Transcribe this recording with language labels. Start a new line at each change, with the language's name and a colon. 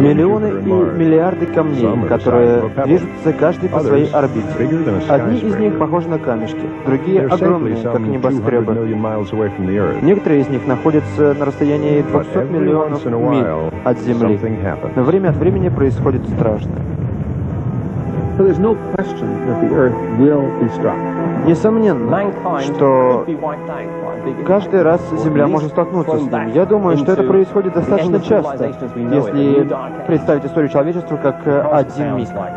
Russian: миллионы и миллиарды камней, которые движутся каждый по своей орбите. Одни из них похожи на камешки, другие огромные, как небоскребы. Некоторые из них находятся на расстоянии 200 миллионов миль от Земли. Но время от времени происходит страшное.
English: So there's no question that the Earth will be struck.
Russian: Несомненно, что каждый раз Земля может столкнуться с ним. Я думаю, что это происходит достаточно часто, если представить историю человечества как один миг.